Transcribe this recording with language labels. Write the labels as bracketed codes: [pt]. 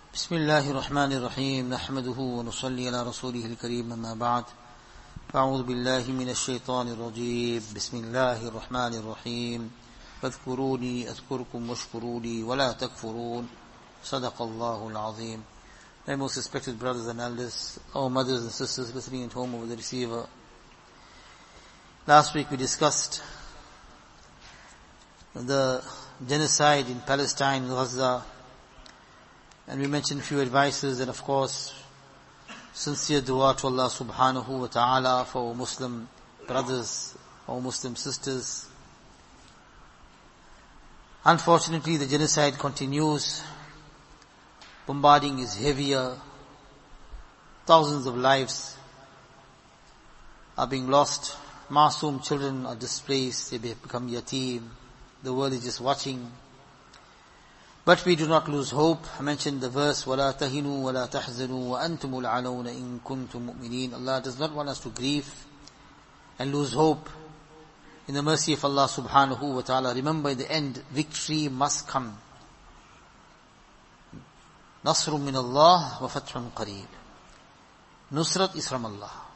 [ar] بسم الله الرحمن الرحيم نحمده ونصلي على رسوله الكريم أما بعد فأعوذ بالله من الشيطان الرجيم بسم الله الرحمن الرحيم فاذكروني أذكركم واشكروني ولا تكفرون صدق الله العظيم. [en] My most respected brothers and elders, our mothers and sisters listening at home over the receiver. Last week we discussed the genocide in Palestine, Gaza. And we mentioned a few advices and of course, sincere dua to Allah subhanahu wa ta'ala for our Muslim brothers, our Muslim sisters. Unfortunately, the genocide continues. Bombarding is heavier. Thousands of lives are being lost. Masoom children are displaced. They become yatim. The world is just watching. But we do not lose hope. I mentioned the verse, [ar] وَلَا تَهِنُوا وَلَا تَحْزَنُوا وَأَنْتُمُ الْعَلَوْنَ إِن كُنْتُم مُؤْمِنِينَ. [en] Allah does not want us to grieve and lose hope in the mercy of Allah subhanahu wa ta'ala. Remember, in the end, victory must come. [ar] نَصْرٌ مِّنَ اللَّهِ وَفَتْحٌ قَرِيبٌ. [en] Nusrat is from Allah.